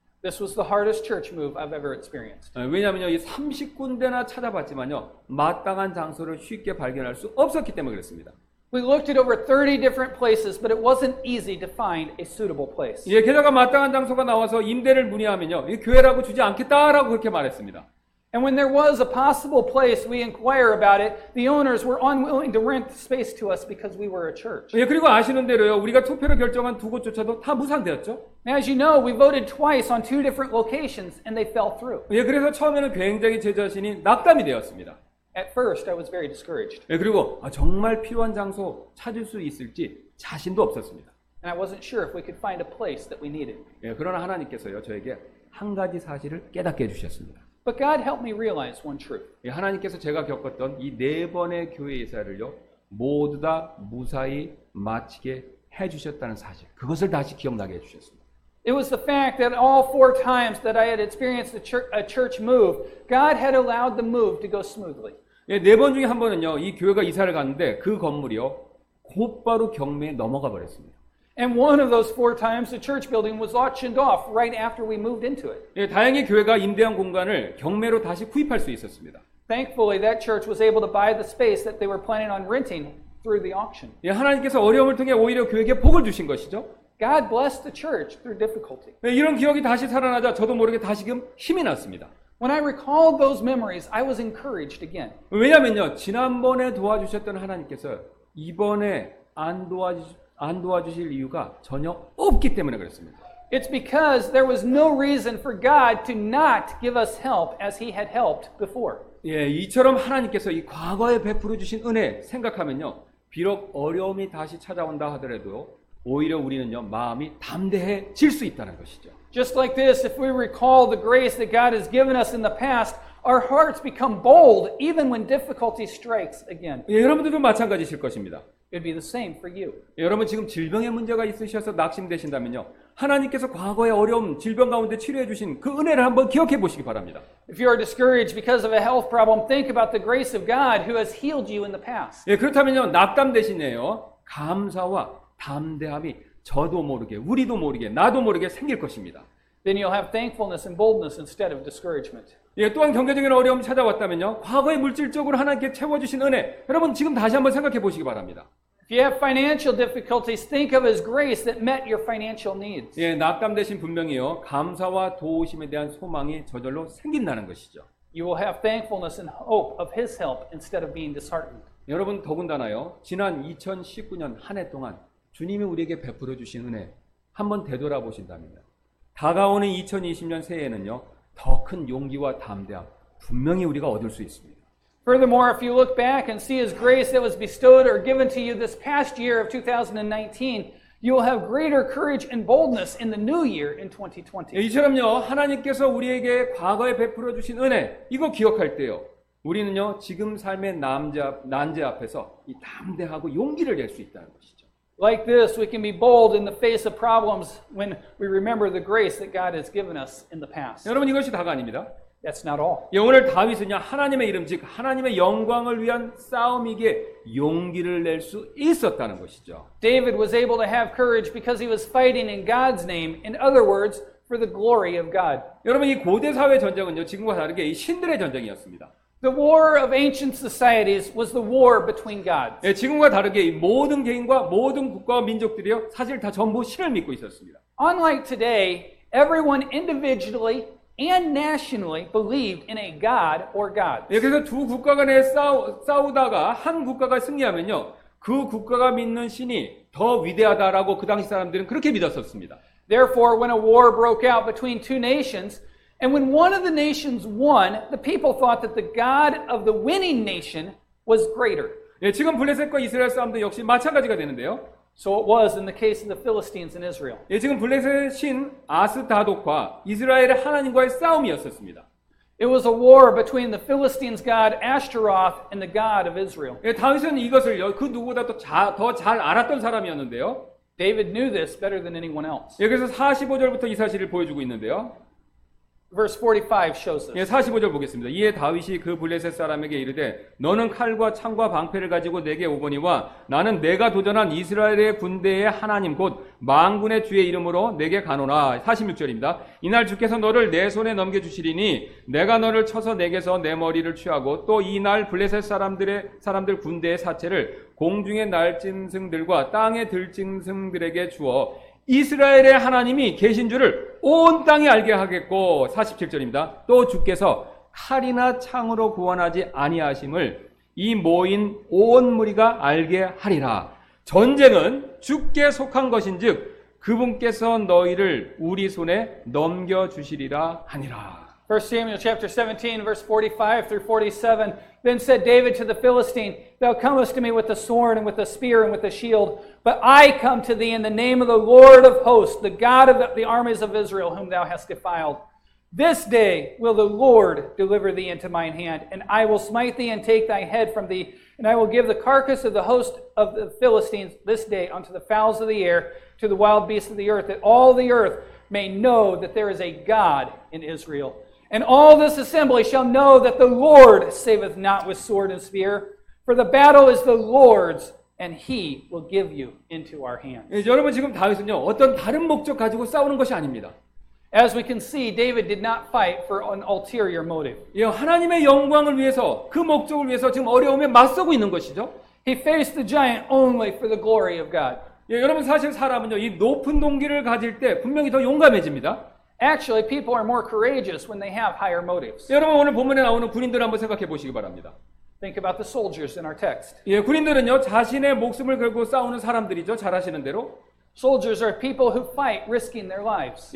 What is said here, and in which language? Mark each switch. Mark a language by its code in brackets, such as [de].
[en] This was the hardest church move I've ever experienced. [ko] 네, 왜냐하면요 이 30군데나 찾아봤지만요 마땅한 장소를 쉽게 발견할 수 없었기 때문에 그랬습니다. [en] We looked at over 30 different places, but it wasn't easy to find a suitable place. [ko] 예, 게다가 마땅한 장소가 나와서 임대를 문의하면요, 이 교회라고 주지 않겠다라고 그렇게 말했습니다. [en] And when there was a possible place, we inquire about it. The owners were unwilling to rent space to us because we were a church. [ko] 예, 그리고 아시는 대로요, 우리가 투표로 결정한 두 곳조차도 다 무산되었죠. [en] As you know, we voted twice on two different locations, and they fell through. [ko] 예, 그래서 처음에는 굉장히 제 자신이 낙담이 되었습니다. [en] At first, I was very discouraged. [ko] 예, 그리고 정말 필요한 장소 찾을 수 있을지 자신도 없었습니다. [en] And I wasn't sure if we could find a place that we needed. [ko] 예, 그러나 하나님께서요 저에게 한 가지 사실을 깨닫게 해주셨습니다. [en] But God helped me realize one truth. [ko] 예, 하나님께서 제가 겪었던 이 네 번의 교회 이사를요 모두 다 무사히 마치게 해주셨다는 사실, 그것을 다시 기억나게 해주셨습니다. [en] It was the fact that all four times that I had experienced a church move, God had allowed the move to go smoothly. [ko] 예, 네 번 중에 한 번은요, 이 교회가 이사를 갔는데 그 건물이요 곧바로 경매에 넘어가 버렸습니다. [en] And one of those four times, the church building was auctioned off right after we moved into it. [ko] 예, 다행히 교회가 임대한 공간을 경매로 다시 구입할 수 있었습니다. [en] Thankfully, that church was able to buy the space that they were planning on renting through the auction. [ko] 예, 하나님께서 어려움을 통해 오히려 교회에 복을 주신 것이죠. [en] God blessed the church through difficulty. [ko] 네, 이런 기억이 다시 살아나자 저도 모르게 다시금 힘이 났습니다. [en] When I recalled those memories, I was encouraged again. [ko] 왜냐면요, 지난번에 도와주셨던 하나님께서 이번에 안 도와주실 이유가 전혀 없기 때문에 그랬습니다. [en] It's because there was no reason for God to not give us help as He had helped before. [ko] 예, 이처럼 하나님께서 이 과거에 베풀어 주신 은혜 생각하면요, 비록 어려움이 다시 찾아온다 하더라도 오히려 우리는요 마음이 담대해질 수 있다는 것이죠. [en] Just like this, if we recall the grace that God has given us in the past, our hearts become bold even when difficulty strikes again. [ko] 예, 여러분들도 마찬가지실 것입니다. [en] It'd be the same for you. [ko] 예, 여러분 지금 질병의 문제가 있으셔서 낙심되신다면요. 하나님께서 과거의 어려움, 질병 가운데 치료해 주신 그 은혜를 한번 기억해 보시기 바랍니다. [en] If you are discouraged because of a health problem, think about the grace of God who has healed you in the past. [ko] 예, 그렇다면요, 낙담 대신에요, 감사와 담대함이 저도 모르게, 우리도 모르게, 나도 모르게 생길 것입니다. [en] Then you'll have thankfulness and boldness instead of discouragement. [ko] 예, 또한 경제적인 어려움 찾아왔다면요, 과거에 물질적으로 하나님께 채워 주신 은혜, 여러분 지금 다시 한번 생각해 보시기 바랍니다. [en] If you have financial difficulties, think of His grace that met your financial needs. [ko] 예, 낙담되신 분명히요, 감사와 도우심에 대한 소망이 저절로 생긴다는 것이죠. [en] You will have thankfulness and hope of His help instead of being disheartened. [ko] 여러분 더군다나요, 지난 2019년 한 해 동안 주님이 우리에게 베풀어 주신 은혜 한번 되돌아보신다면 다가오는 2020년 새해에는요, 더 큰 용기와 담대함 분명히 우리가 얻을 수 있습니다. [en] Furthermore, if you look back and see His grace that was bestowed or given to you this past year of 2019, you will have greater courage and boldness in the new year in 2020. [ko] 이처럼요, 하나님께서 우리에게 과거에 베풀어 주신 은혜, 이거 기억할 때요, 우리는요, 지금 삶의 난제 앞에서 이 담대하고 용기를 낼 수 있다는 것이죠. [en] Like this, we can be bold in the face of problems when we remember the grace that God has given us in the past. [ko] 여러분, 이것이 다가 아닙니다. [en] That's not all. [ko] 예, 오늘 다윗은요, 하나님의 이름, 즉 하나님의 영광을 위한 싸움이기에 용기를 낼 수 있었다는 것이죠. [en] David was able to have courage because he was fighting in God's name. In other words, for the glory of God. [ko] 여러분, 이 고대 사회 전쟁은요, 지금과 다르게 이 신들의 전쟁이었습니다. [en] The war of ancient societies was the war between gods. [ko] 예, 지금과 다르게 이 모든 개인과 모든 국가와 민족들이요, 사실 다 전부 신을 믿고 있었습니다. [en] Unlike today, everyone individually and nationally believed in a god or gods. [ko] 예, 그래서 두 국가 간에 싸우다가 한 국가가 승리하면요, 그 국가가 믿는 신이 더 위대하다라고 그 당시 사람들은 그렇게 믿었었습니다. [en] Therefore, when a war broke out between two nations, and when one of the nations won, the people thought that the god of the winning nation was greater. [ko] 예, 지금 블레셋과 이스라엘 싸움도 역시 마찬가지가 되는데요. [en] So it was in the case of the Philistines and Israel. [ko] 예, 지금 블레셋의 신 아스타독과 이스라엘의 하나님과의 싸움이었었습니다. [en] It was a war between the Philistines' god Ashtaroth and the god of Israel. [ko] 예, 다윗은 이것을 그 누구보다 더 잘 알았던 사람이었는데요. [en] David knew this better than anyone else. [ko] 예, 그래서 45절부터 이 사실을 보여주고 있는데요. [en] Verse 45 shows us. [ko] 예, 45절 보겠습니다. 이에 다윗이 그 블레셋 사람에게 이르되 너는 칼과 창과 방패를 가지고 내게 오거니와 나는 내가 도전한 이스라엘의 군대의 하나님 곧 만군의 주의 이름으로 내게 가노라. 46절입니다. 이날 주께서 너를 내 손에 넘겨 주시리니 내가 너를 쳐서 내게서 내 머리를 취하고 또 이날 블레셋 사람들 군대의 사체를 공중의 날짐승들과 땅의 들짐승들에게 주어 이스라엘의 하나님이 계신 줄을 온 땅이 알게 하겠고 47절입니다. 또 주께서 칼이나 창으로 구원하지 아니하심을 이 모인 온 무리가 알게 하리라. 전쟁은 주께 속한 것인즉 그분께서 너희를 우리 손에 넘겨 주시리라 하니라. [en] 1 Samuel chapter 17 verse 45 through 47 Then said David to the Philistine, Thou comest to me with the sword and with the spear and with the shield, but I come to thee in the name of the Lord of hosts, the God of the armies of Israel, whom thou hast defiled. This day will the Lord deliver thee into mine hand, and I will smite thee and take thy head from thee, and I will give the carcass of the host of the Philistines this day unto the fowls of the air, to the wild beasts of the earth, that all the earth may know that there is a God in Israel. And all this assembly shall know that the Lord saveth not with sword and spear, for the battle is the Lord's, and He will give you into our hands. [ko] 예, 여러분 지금 다윗은요 어떤 다른 목적 가지고 싸우는 것이 아닙니다. [en] As we can see, David did not fight for an ulterior motive. [ko] 예, 하나님의 영광을 위해서 그 목적을 위해서 지금 어려움에 맞서고 있는 것이죠. [en] He faced the giant only for the glory of God. [ko] 예, 여러분 사실 사람은요 이 높은 동기를 가질 때 분명히 더 용감해집니다. [en] Actually, people are more courageous when they have higher motives. [ko] 여러분 오늘 본문에 나오는 군인들 한번 생각해 보시기 바랍니다. [en] Think about the soldiers in our text. [ko] 예, 군인들은요 자신의 목숨을 걸고 싸우는 사람들이죠. 잘 아시는 대로. [en] Soldiers are people who fight risking their lives.